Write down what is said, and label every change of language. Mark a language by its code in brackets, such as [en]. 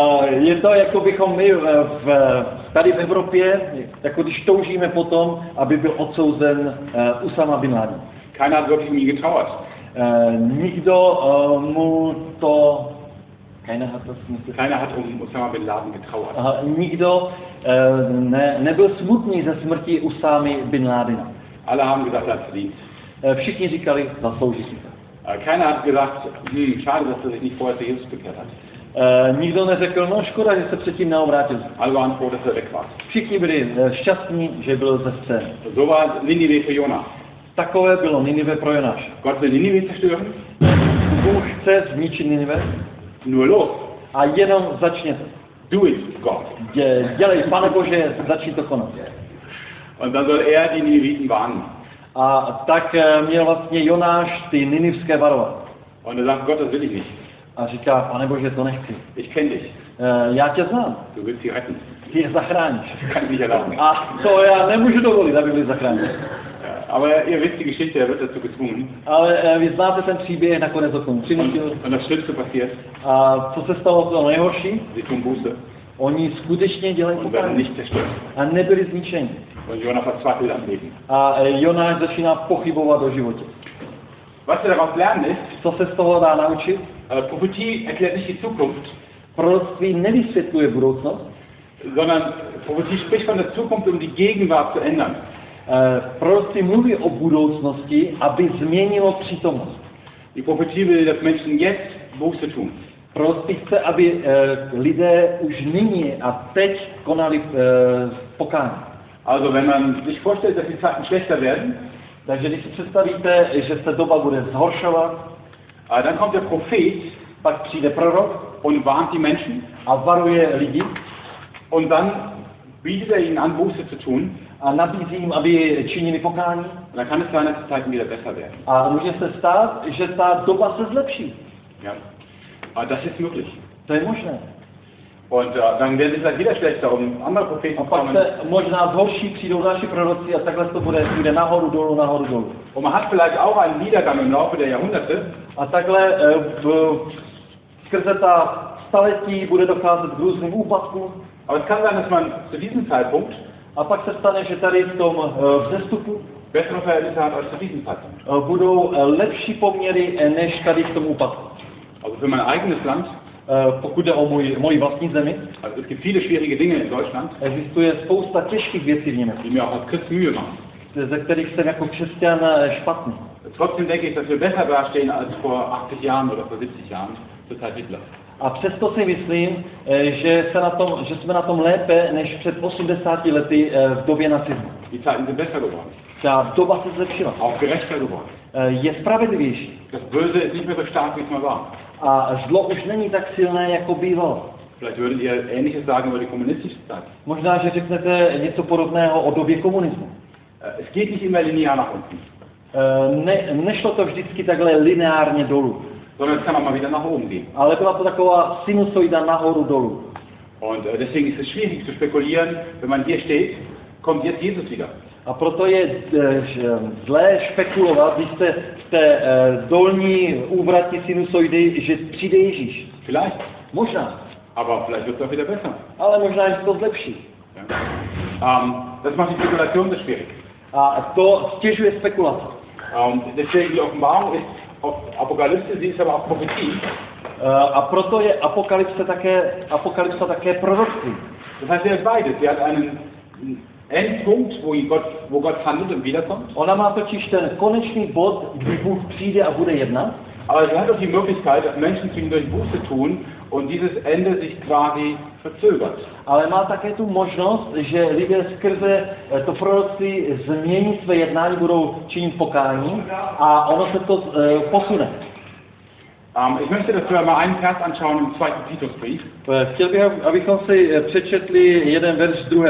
[cs] Je to, jako bychom my tady v Evropě, jako když toužíme potom, aby byl odsouzen Usama bin Laden. [de] Keiner wirklich nie getrauert. [cs] Nikdo mu to... [de] Keiner hat um Usama bin Laden getrauert. [cs] Nikdo nebyl smutný ze smrti Usámy bin Ladena. [de] Alle haben gesagt, er hat verdient. [cs] Všichni říkali, zaslouží si to. [de] Keiner hat gesagt, schade, dass er sich nicht vorher zu Jesus bekehrt hat. [cs] Nikdo neřekl, no škoda, že se předtím neobrátil. [de] Alle waren froh, dass er weg war. [cs] Všichni byli šťastní, že byl ze scény. [de] So war Ninive für Jonah. [cs] Takové bylo Ninive pro Jonáš. [de] Gott will Ninive zerstören. [cs] Bůh chce zničit Ninive. [de] Nur los. [cs] A jenom začněte. [en] Do it, God. [cs] Dělej, Pane Bože, začni to konat. [de] Und dann soll die Niniviten warnen. [cs] A tak měl vlastně Jonáš ty ninivské varovat. [de] Und er sagt, Gott, das will ich nicht. [cs] A říká, Pane Bože, to nechci. [de] Ich kenn dich. [cs] Já tě znám. [de] Du willst sie retten. [cs] Ty je zachráníš. [de] Kann ich nicht erlauben. [cs] A to já nemůžu dovolit, aby byli zachráněni. [de] Aber ihr wisst die Geschichte, er wird dazu gezwungen. [cs] Ale vy znáte ten příběh, nakonec o tom přinutil. [de] Und das Schlimmste passiert. [cs] A co se stalo to nejhorší? [de] Sie tun Buße. [cs] Oni skutečně dělají pokání. [de] Und werden nicht zerstört. [cs] A nebyli zničeni. [de] Und Jonah verzweifelt am Leben. [cs] A Jonáš začíná pochybovat o životě. [de] Was wir daraus lernen ist, [cs] co se z toho dá naučit? [de] Prophetie erklärt nicht die Zukunft. [cs] Proroctví nevysvětluje budoucnost. [de] Sondern Prophetie spricht von der Zukunft, um die Gegenwart zu ändern. [cs] Proroctví mluví o budoucnosti, aby změnilo přítomnost. [de] Die Prophetie will, dass Menschen jetzt Buße tun. [cs] Proroctví chce, aby lidé už nyní a teď konali pokání. [de] Also wenn man sich vorstellt, dass die Zeiten schlechter werden, [cs] takže když si představíte, že se doba bude zhoršovat, [de] dann kommt der Prophet, [cs] pak přijde prorok [de] und warnt die Menschen, [cs] a varuje lidi, [de] und dann bietet er ihnen an, Buße zu tun, [cs] a nabízí jim, aby činili pokání, [de] dann kann es sein, dass die Zeiten wieder besser werden. [cs] A může se stát, že ta doba se zlepší. [de] Ja. Das ist möglich. [cs] To je možné. [de] Und dann werden sie wieder schlechter, um andere Propheten zu kommen. [cs] A pak se možná zhorší, přijdou naši proroci a takhle to bude, jde nahoru, dolů, nahoru, dolů. [de] Und man hat vielleicht auch einen Niedergang im Laufe der Jahrhunderte. [cs] A takhle skrze ta staletí bude docházet k různým úpadkům. [de] Aber es kann sein, dass man zu diesem Zeitpunkt, [cs] a pak se stane, že tady v tom vzestupu, [de] bessere Verhältnisse hat als zu diesem Zeitpunkt. [cs] Budou lepší poměry, než tady v tom úpadku. [de] Also für mein eigenes Land, [cs] pokud jde o moji vlastní zemi. [de] Also es gibt viele schwierige Dinge in Deutschland. [cs] Existuje spousta těžkých věcí v Německu. [de] Die mir auch als Christ Mühe machen. [cs] Ze kterých jsem jako křesťan špatný. [de] Trotzdem denke ich, dass wir besser dastehen als vor 80 Jahren oder vor 70 Jahren zur Zeit Hitler. [cs] A přesto si myslím, že jsme na tom lépe než před 80 lety v době nacismu. [de] Die Zeiten sind besser geworden. [cs] Ta doba se zlepšila. [de] Auch gerechter geworden. [cs] Je spravedlivější. [de] Das Böse ist nicht mehr so stark, wie es mal war. [cs] A zlo už není tak silné, jako bývalo. [de] Vielleicht würdet ihr ähnliches sagen über die kommunistische Zeit. [cs] Možná, že řeknete něco podobného o době komunismu. [de] Es geht nicht immer linear nach unten. [cs] Nešlo to vždycky takhle lineárně dolů. [de] Sondern es kann auch mal wieder nach oben gehen. [cs] Ale byla to taková sinusoida nahoru dolů. [de] Und deswegen ist es schwierig zu spekulieren, wenn man hier steht, kommt jetzt Jesus wieder. [cs] A proto je zlé špekulovat, když jste v té dolní úvratí sinusoidy, že přijde Ježíš. [de] Vielleicht. [cs] Možná. [de] Aber vielleicht wird es auch wieder besser. [cs] Ale možná, že to zlepší. [de] Ja. Das macht die Spekulation so schwierig. [cs] A to stěžuje spekulace. [de] Deswegen die Offenbarung ist Apokalypse, sie ist aber auch Prophetie. [cs] A proto je Apokalypse také proroctví. [de] Das heißt, sie hat beides. Sie hat einen Endpunkt, wo Gott handelt und wiederkommt. [cs] Ona má totiž ten konečný bod, kdy Bůh přijde a bude jednat. [de] Aber sie hat auch die Möglichkeit, dass Menschen zu ihm durch Buße tun und dieses Ende sich quasi verzögert. [cs] Ale má také tu možnost, že lidé skrze to proroctví změní své jednání, budou činit pokání a ono se to posune. [de] Ich möchte, dass wir mal einen Vers anschauen im 2. Titusbrief. [cs] Chtěl bych, abychom si přečetli jeden verš 2.